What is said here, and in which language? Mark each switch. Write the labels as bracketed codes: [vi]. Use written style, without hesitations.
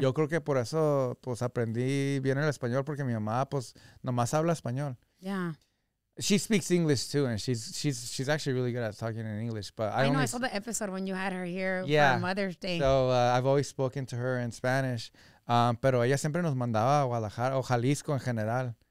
[es] Yo creo que por eso pues aprendí bien el español porque mi mamá pues nomás habla español. [en] Yeah. She speaks English too, and she's actually really good at talking in English. But I saw the episode when you had her here for Mother's Day. So I've always spoken to her in Spanish. [es] Pero ella siempre nos mandaba a Guadalajara o Jalisco en general.